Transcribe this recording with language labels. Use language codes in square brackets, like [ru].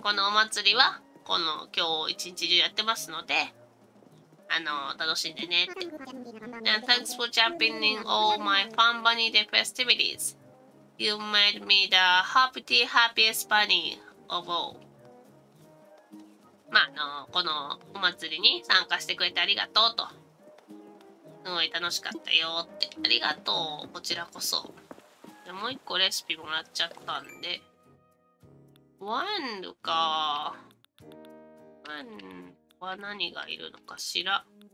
[ja] このお祭りは、この今日一日中やってますので、楽しんでねって。 [en] And thanks for jumping in all my fun Bunny Day festivities. You made me the happy, happiest bunny of all. [ja] まあ、このお祭りに参加してくれてありがとうと。すごい楽しかったよってありがとう、こちらこそ。でもう一個レシピもらっちゃったんで、ワンルか、ワンは何がいるのかしら。